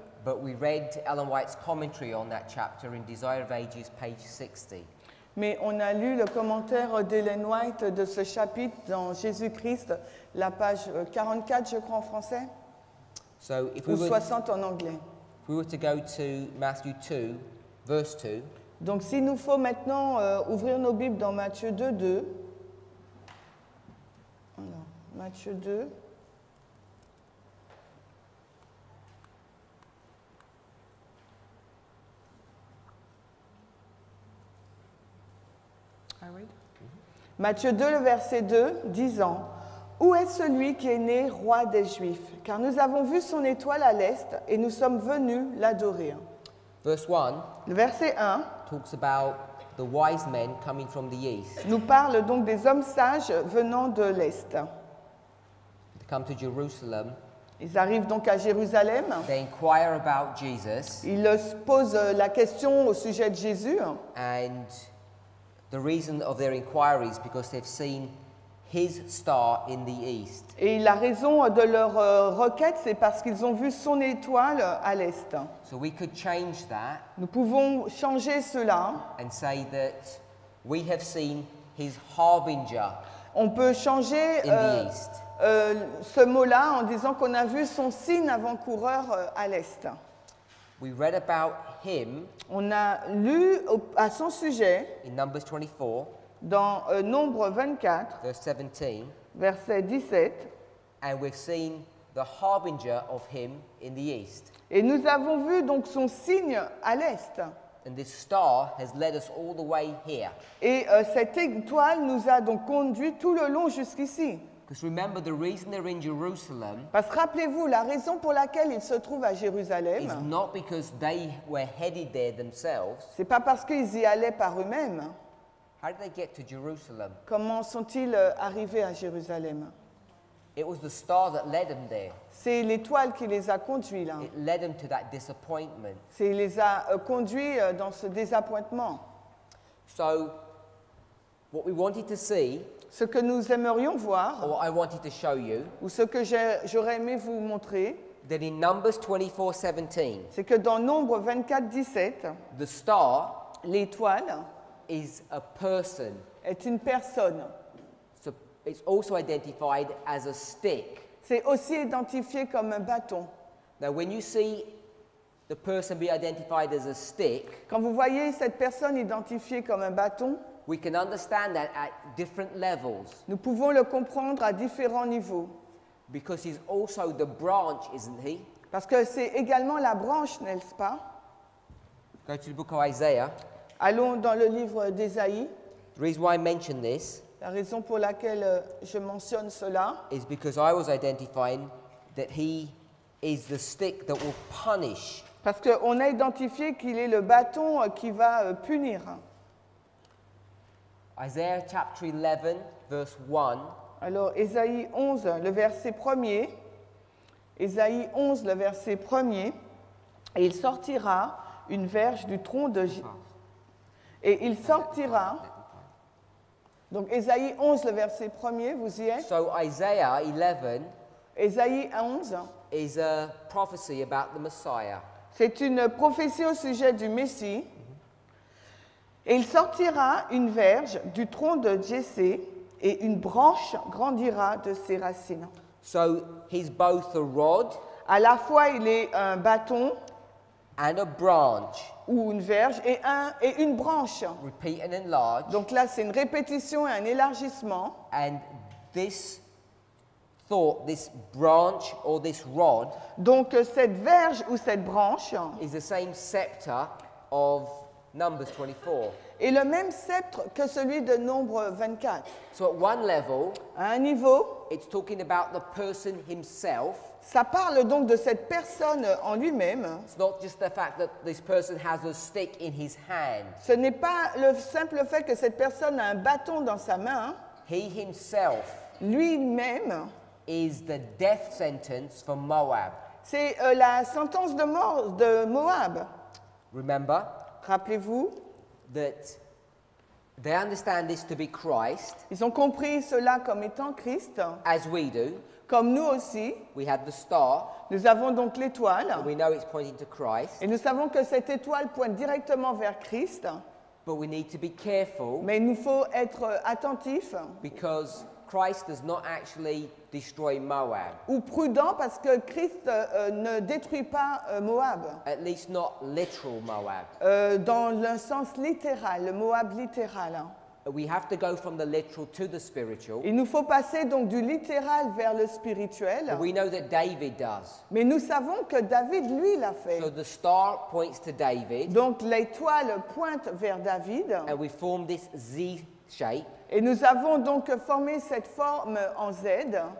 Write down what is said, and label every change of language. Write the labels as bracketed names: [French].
[English] But we read Ellen White's commentary on that chapter in Desire of Ages, page 60. [French] Mais on a lu le commentaire d'Ellen White de ce chapitre dans Jésus-Christ, la page 44, je crois, en français, [English] so if [French] ou [English] we were, [French] 60 en anglais. [English] If we were to go to Matthew 2, verse 2, [French] donc, s'il nous faut maintenant ouvrir nos Bibles dans Matthieu 2, 2. Matthieu 2. Matthieu 2, le verset 2, disant « Où est celui qui est né roi des Juifs? Car nous avons vu son étoile à l'est et nous sommes venus l'adorer. » [English] Verse 1. [French] Le verset 1 [English] talks about the wise men coming from the east. [French] Nous parle donc des hommes sages venant de l'est. [English] They come to Jerusalem. [French] Ils arrivent donc à Jérusalem. [English] They inquire about Jesus. [French] Ils leur posent la question au sujet de Jésus. [English] And the reason of their inquiry is because they've seen his star in the east. [French] Et la raison de leur requête, c'est parce qu'ils ont vu son étoile à l'est. [English] So we could change that. [French] Nous pouvons changer cela. [English] And say that we have seen his harbinger. [French] On peut changer [English] in the east. [French] Ce mot-là en disant qu'on a vu son signe avant-coureur à l'est. [English] We read about him. [French] On a lu à son sujet [English] in Numbers 24, [French] dans Nombre 24, [English] verse 17, [French] verset 17. [English] And we've seen the harbinger of him in the east. [French] Et nous avons vu donc son signe à l'est. [English] And this star has led us all the way here. [French] Et cette étoile nous a donc conduit tout le long jusqu'ici. [English] Because remember the reason they're in Jerusalem. [French] Parce que rappelez-vous la raison pour laquelle ils se trouvent à Jérusalem. [English] Is not because they were headed there themselves. [French] C'est pas parce qu'ils y allaient par eux-mêmes. [English] How did they get to Jerusalem? [French] Comment sont-ils arrivés à Jérusalem? [English] It was the star that led them there. [French] C'est l'étoile qui les a conduits là. [English] It led them to that disappointment. [French] C'est les a conduits dans ce désappointement. [English] So what we wanted to see. [French] Ce que nous aimerions voir, [English] or I wanted to show you, [French] ou ce que j'aurais aimé vous montrer, [English] that in Numbers 24, 17, [French] c'est que dans Nombre 24, 17, [English] the star, [French] l'étoile, [English] is a person, [French] est une personne. [English] So it's also identified as a stick. [French] C'est aussi identifié comme un bâton. [English] Now when you see the person be identified as a stick, [French] quand vous voyez cette personne identifiée comme un bâton, [English] we can understand that at different levels. [French] Nous pouvons le comprendre à différents niveaux. [English] Because he's also the branch, isn't he? [French] Parce que c'est également la branche, n'est-ce pas? [English] Go to the book of Isaiah. [French] Allons dans le livre d'Ésaïe. [English] The reason why I mention this. [French] La raison pour laquelle je mentionne cela. [English] Is because I was identifying that he is the stick that will punish. [French] Parce que on a identifié qu'il est le bâton qui va punir. [English] Isaiah chapter 11, verse 1. [French] Alors, Ésaïe 11, le verset 1er. Ésaïe 11, le verset 1er. Et il sortira une verge du tronc de Jésus. Et il sortira. Donc, Ésaïe 11, le verset 1er, vous y êtes? [English] So, Isaiah 11. [French] Ésaïe 11. [English] Is a prophecy about the Messiah. [French] C'est une prophétie au sujet du Messie. Et il sortira une verge du tronc de Jessé et une branche grandira de ses racines. [English] So he's both a rod, [French] à la fois il est un bâton [English] and a branch, [French] ou une verge et, et une branche. [English] Repeat and enlarge. [French] Donc là c'est une répétition et un élargissement. [English] And this thought, this branch or this rod, [French] donc cette verge ou cette branche [English] is the same scepter of Numbers 24. [French] Et le même sceptre que celui de Nombre 24. [English] So at one level, [French] à un niveau, [English] it's talking about the person himself. [French] Ça parle donc de cette personne en lui-même. [English] It's not just the fact that this person has a stick in his hand. [French] Ce n'est pas le simple fait que cette personne a un bâton dans sa main. [English] He himself [French] lui-même [English] is the death sentence for Moab. [French] C'est la sentence de mort de Moab. [English] Remember? [French] Rappelez-vous [English] that they understand this to be Christ. [French] Ils ont compris cela comme étant Christ. [English] As we do. [French] Comme nous aussi. [English] We had the star. [French] Nous avons donc l'étoile. [English] We know it's pointing to Christ. [French] Et nous savons que cette étoile pointe directement vers Christ. [English] But we need to be careful. [French] Mais il nous faut être attentifs. [English] Because Christ does not actually destroy Moab. [French] Ou prudent parce que Christ ne détruit pas Moab. [English] At least not literal Moab. [French] Dans le sens littéral, le Moab littéral. [English] We have to go from the literal to the spiritual. [French] Il nous faut passer donc du littéral vers le spirituel. [English] We know that David does. [French] Mais nous savons que David lui l'a fait. [English] So the star points to David. [French] Donc l'étoile pointe vers David. [English] And we form this Z shape. [French] Et nous avons donc formé cette forme en Z.